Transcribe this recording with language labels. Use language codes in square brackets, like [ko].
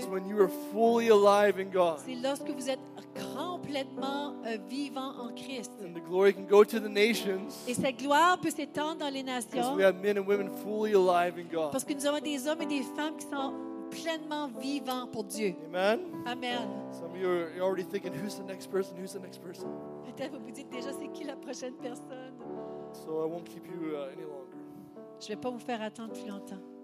[en] is when you are fully alive in God. [fr] C'est lorsque vous êtes complètement vivant en Christ. [en] And the glory can go to the nations. [fr] Et cette gloire peut s'étendre dans les nations. [en] Because we have men and women fully alive in God. [fr] Parce que nous avons des hommes et des femmes qui sont pleinement vivants pour Dieu. [en] Amen. [fr] Amen. [en] Some of you are already thinking, who's the next person? Who's the next person? [fr] Peut-être vous vous dites déjà c'est qui la prochaine personne. [en] So I won't keep you any longer. [fr] Je vais pas vous faire attendre plus longtemps.